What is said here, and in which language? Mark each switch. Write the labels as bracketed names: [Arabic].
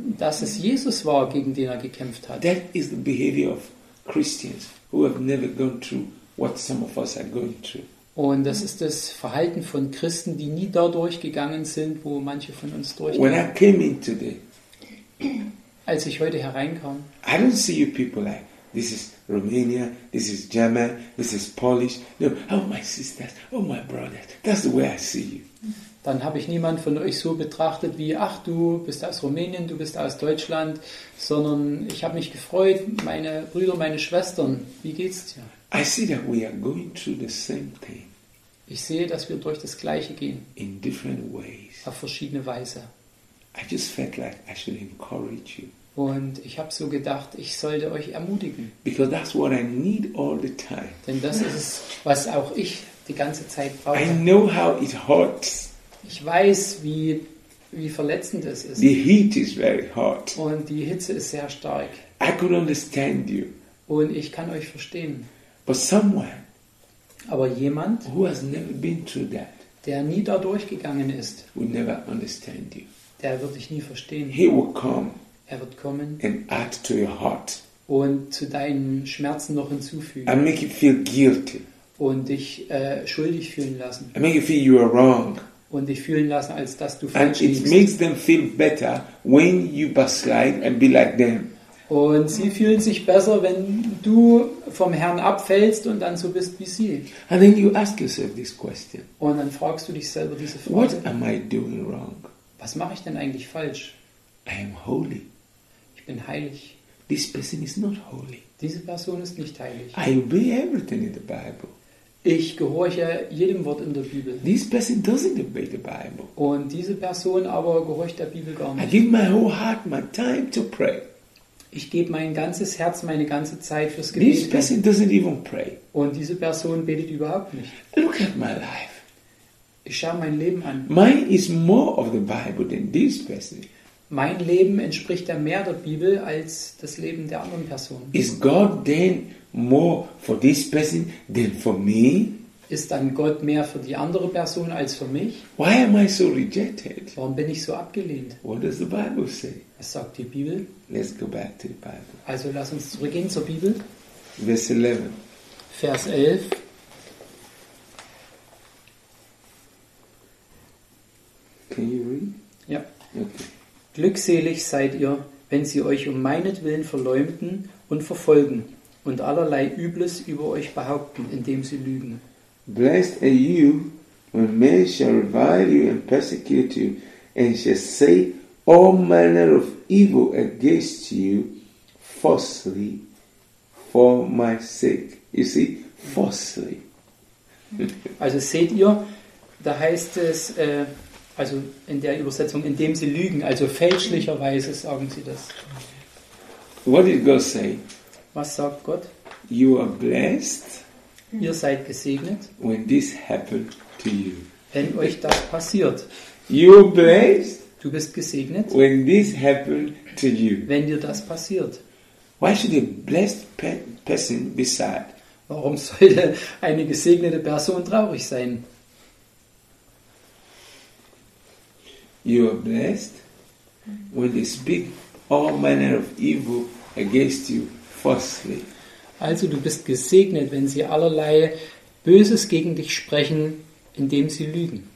[German] Dass es Jesus war, gegen den er gekämpft hat. [English] That is the behavior of Christians who have never gone through what some of us are going through. [German] Und das ist das Verhalten von Christen, die nie dadurch gegangen sind, wo manche von uns durchgegangen sind. [English] When I came in today, [German] als ich heute hereinkam, [English] I don't see you people like this is Romania, this is German, this is Polish. No, oh my sisters, oh my brothers, that's the way I see you. [German] Dann habe ich niemand von euch so betrachtet wie, ach, du bist aus Rumänien, du bist aus Deutschland, sondern ich habe mich gefreut, meine Brüder, meine Schwestern, wie geht's dir? [English] I see that we are going through the same thing. [German] Ich sehe, dass wir durch das Gleiche gehen. [English] In different ways. [German] Auf verschiedene Weise. [English] I just felt like I should encourage you. [German] Und ich habe so gedacht, ich sollte euch ermutigen. [English] Because that's what I need all the time. [German] Denn das ist es, was auch ich die ganze Zeit brauche. [English] I know how it hurts. [German] Ich weiß, wie verletzend es ist. [English] The heat is very hot. [German] Und die Hitze ist sehr stark. [English] I could understand you. [German] Und ich kann euch verstehen. [English] But someone, [German] aber jemand, [English] who has never been through that, [German] der nie da durchgegangen ist, [English] would never understand you. [German] Der wird dich nie verstehen. [English] He will come. [German] Er wird kommen [English] and add to your heart. [German] und zu deinen Schmerzen noch hinzufügen. [English] I make you feel guilty. [German] Und dich schuldig fühlen lassen. [English] I make you feel you are wrong. [German] Und dich fühlen lassen, als dass du falsch liegst. [English] And it makes them feel better when you backslide and be like them. [German] Und sie fühlen sich besser, wenn du vom Herrn abfällst und dann so bist wie sie. [English] And then you ask yourself this question. [German] Und dann fragst du dich selber diese Frage. [English] What am I doing wrong? [German] Was mache ich denn eigentlich falsch? [English] I am holy. [German] Ich bin heilig. [English] This person is not holy. [German] Diese Person ist nicht heilig. [English] I obey everything in the Bible. [German] Ich gehorche jedem Wort in der Bibel. [English] This person doesn't obey the Bible. [German] Und diese Person aber gehorcht der Bibel gar nicht. [English] I give my whole heart, my time to pray. [German] Ich gebe mein ganzes Herz, meine ganze Zeit fürs Gebet. [English] This person doesn't even pray. [German] Und diese Person betet überhaupt nicht. [English] Look at my life. [German] Ich schaue mein Leben an. [English] Mine is more of the Bible than this person. [German] Mein Leben entspricht ja mehr der Bibel als das Leben der anderen Person. [English] Is God then more for this person than for me? [German] Ist dann Gott mehr für die andere Person als für mich? [English] Why am I so rejected? [German] Warum bin ich so abgelehnt? [English] What does the Bible say? [German] Was sagt die Bibel? [English] Let's go back to the Bible. [German] Also lass uns zurückgehen zur Bibel. Vers 11. Vers 11. [English] Can you read? [German] Ja. [English] Okay. [German] Glückselig seid ihr, wenn sie euch um meinetwillen verleumden und verfolgen und allerlei Übles über euch behaupten, indem sie lügen. [English] Blessed are you when men shall revile you and persecute you and shall say all manner of evil against you falsely for my sake. You see, falsely. [German] Also seht ihr, da heißt es, also in der Übersetzung, indem sie lügen, also fälschlicherweise sagen sie das. [English] What did God say? [German] Was sagt Gott? [English] You are blessed. [German] Ihr seid gesegnet. [English] When this happened to you. [German] Wenn euch das passiert. [English] You are blessed. [German] Du bist gesegnet. [English] When this happened to you. [German] Wenn dir das passiert. [English] Why should a blessed person be sad? [German] Warum sollte eine gesegnete Person traurig sein? [English] You are blessed when they speak all manner of evil against you falsely. [German] Also du bist gesegnet, wenn sie allerlei Böses gegen dich sprechen, indem sie lügen.